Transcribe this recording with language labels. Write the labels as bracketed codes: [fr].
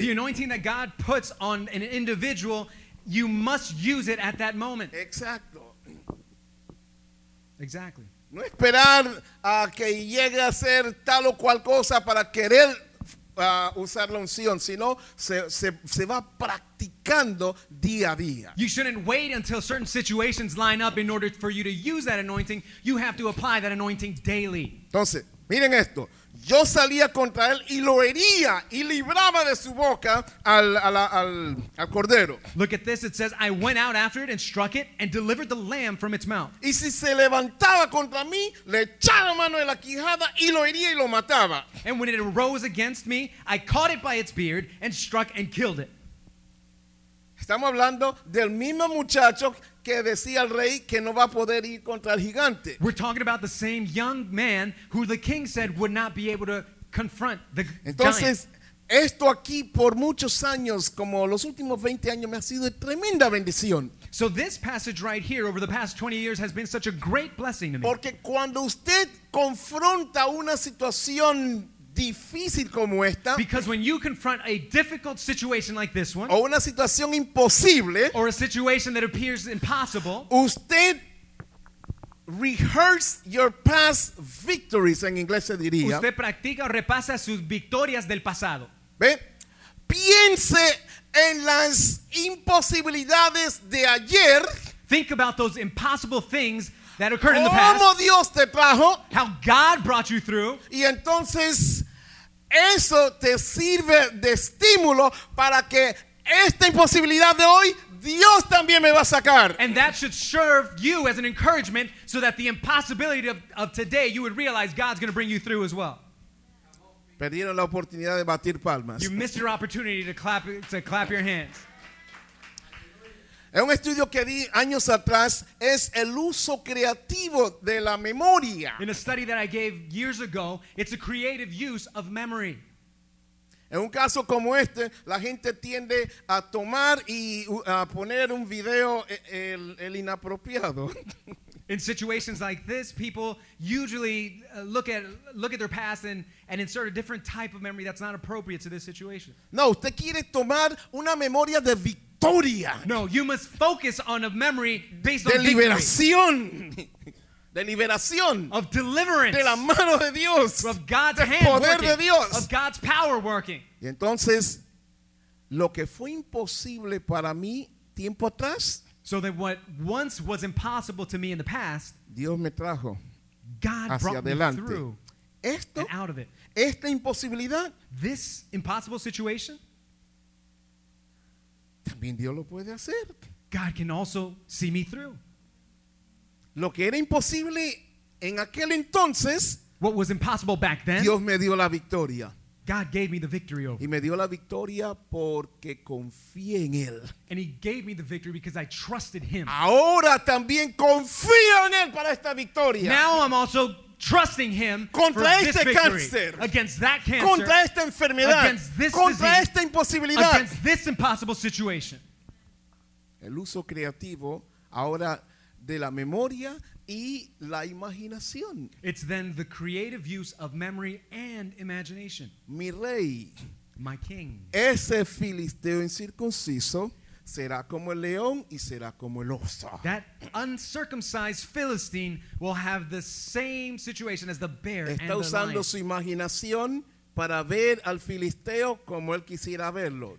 [en] The anointing that God puts on an individual, you must use it at that moment. [es] Exacto. [en] Exactly. [es] No esperar a que llegue a ser tal o cual cosa para querer usar la unción, sino se va practicando día a día. [en] You shouldn't wait until certain situations line up in order for you to use that anointing. You have to apply that anointing daily. [es] Entonces, miren esto. Yo salía contra él y lo hería y libraba de su boca al cordero. [en] Look at this, it says, I went out after it and struck it and delivered the lamb from its mouth. [es] Y si se levantaba contra mí, le echaba mano en la quijada y lo hería y lo mataba. [en] And when it arose against me, I caught it by its beard and struck and killed it. [es] Estamos hablando del mismo muchacho que decía el rey que no va a poder ir contra el gigante. [en] We're talking about the same young man who the king said would not be able to confront the [es] entonces, [en] giant. [es] Esto aquí por muchos años, como los últimos 20 años, me ha sido tremenda bendición. [en] So this passage right here over the past 20 years has been such a great blessing to me. [es] Porque cuando usted confronta una situación difícil como esta, [en] because when you confront a difficult situation like this one, [es] o una situación imposible, [en] or a situation that appears impossible, [es] usted [en] rehearse your past victories, [es] en inglés se diría. Usted practica o repasa sus victorias del pasado. ¿Ve? Piense en las imposibilidades de ayer. [en] Think about those impossible things that occurred in the past. [es] ¿Cómo Dios te trajo? [en] How God brought you through. [es] Y entonces eso te sirve de estímulo para que esta imposibilidad de hoy Dios también me va a sacar. [en] And that should serve you as an encouragement so that the impossibility of today you would realize God's going to bring you through as well. [es] Perdieron la oportunidad de batir palmas. [en] You missed your opportunity to clap your hands. [es] Es un estudio que di años atrás, es el uso creativo de la memoria. [en] In a study that I gave years ago, it's a creative use of memory. [es] En un caso como este, la gente tiende a tomar y a poner un video el inapropiado. [en] In situations like this, people usually look at their past and insert a different type of memory that's not appropriate to this situation. [es] No, usted quiere tomar una memoria de victoria. [en] No, you must focus on a memory based [es] de [en] on [es] liberación. [en] Victory. [es] De liberación. [en] Of deliverance. [es] De la mano de Dios. [en] Of God's [es] de [en] hand [es] poder [en] working. [es] De Dios. [en] Of God's power working. [es] Y entonces, lo que fue imposible para mí tiempo atrás. [en] So that what once was impossible to me in the past, [es] Dios me trajo, [en] God brought [es] adelante. [en] Me through [es] esto, [en] and out of it. [es] Esta imposibilidad, [en] this impossible situation, [es] también Dios lo puede hacer. [en] God can also see me through. [es] Lo que era imposible en aquel entonces, [en] what was impossible back then, [es] Dios me dio la victoria. [en] God gave me the victory over. [es] Y me dio la victoria porque confié en él. [en] And he gave me the victory because I trusted him. [es] Ahora también confío en él para esta victoria. [en] Now I'm also trusting him [es] contra [en] for [es] este [en] this victory. [es] Cáncer. [en] Against that cancer. [es] Contra esta enfermedad. [en] Against this [es] contra [en] disease. [es] Esta imposibilidad. [en] Against this impossible situation. [es] El uso creativo ahora de la memoria y la imaginación. [en] It's then the creative use of memory and imagination. [es] Mi rey, [en] my king, [es] ese filisteo incircunciso será como el león y será como el oso. [en] That uncircumcised Philistine will have the same situation as the bear. [es] Está [en] and the [es] usando [en] lion. [es] Su imaginación para ver al filisteo como él quisiera verlo.